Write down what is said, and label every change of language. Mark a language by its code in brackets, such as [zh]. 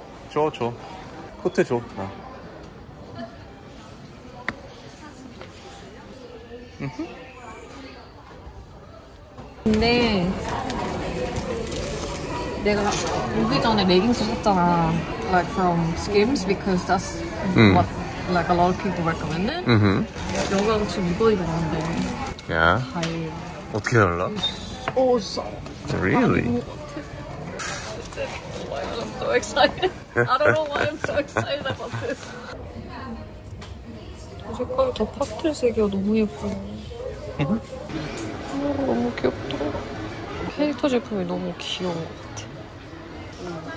[ko] 줘. 줘. 코트 줘. 나. 근데. 내가 오기 전에 레깅스 샀잖아. [en] Like from Skims because that's what like a lot of people recommended. [ko] 여기가 지금 이거 입었는데. [en] Yeah. 하이. [ko] 어떻게 달라? [en] Awesome. Really? I'm so excited. I don't know why I'm so excited about this. [ko] 색깔이 더 파스텔 색이야. 너무 예뻐. 너무 귀엽다. 캐릭터 제품이 너무 귀여운 것 같아.